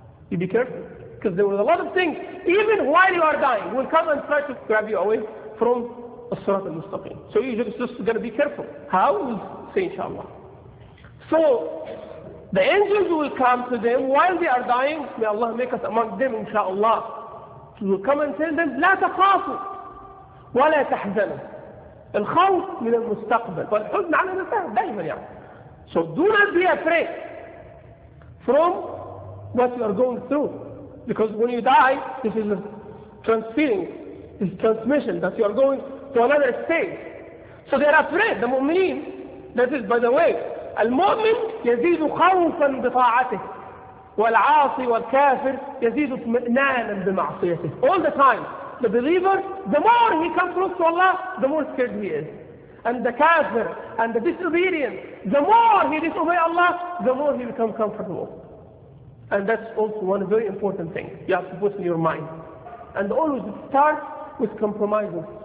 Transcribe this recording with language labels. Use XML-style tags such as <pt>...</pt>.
<en>You be careful, because there was a lot of things, even while you are dying, will come and try to grab you away from As-Sirat al-Mustaqim. So you just got to be careful. How? We'll say inshallah. So, the angels will come to them while they are dying. May Allah make us among them inshallah. We'll come and tell them,</en> <ar>لا تخافوا ولا تحزنوا. الخوف من المستقبل والحزن على المستقبل دائما يعني.</ar> <en>So do not be afraid from what you are going through. Because when you die, this is a transferring, this transmission that you are going to another state. So they are afraid, the mu'mineen. That is, by the way,</en> <ar>المؤمن يزيد خوفا بطاعته. والعاصي والكافر يزيد اطمئنانا بمعصيته.</ar> <en>All the time. The believer, the more he comes close to Allah, the more scared he is. And the kafir and the disobedient, the more he disobeys Allah, the more he becomes comfortable. And that's also one very important thing you have to put in your mind. And always start with compromising.</en>